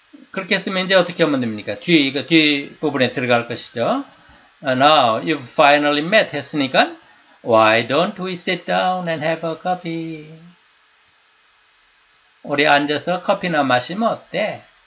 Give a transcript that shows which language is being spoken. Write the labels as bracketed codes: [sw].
[ko] 그렇게 했으면 이제 어떻게 하면 됩니까? 뒤 부분에 들어갈 것이죠. [en] Now you've finally met [ko] 했으니까 [en] why don't we sit down and have a coffee? [ko] 우리 앉아서 커피나 마시면 어때?